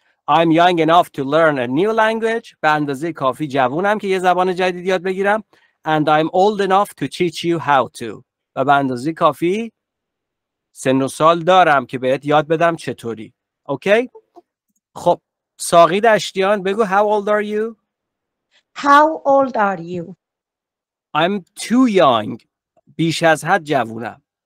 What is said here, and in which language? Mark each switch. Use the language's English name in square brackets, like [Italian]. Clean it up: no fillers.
[English] I'm young enough to learn a new language. [Persian] به اندازه کافی جوونم که یه زبان جدید یاد بگیرم. [English] And I'm old enough to teach you how to. [Persian] و به اندازه کافی سن و سال دارم که بهت یاد بدم چطوری. اوکی؟ خب ساقی دشتیان بگو [English] how old are you? How old are you? I'm too young. [Persian] بیش از حد جوونم.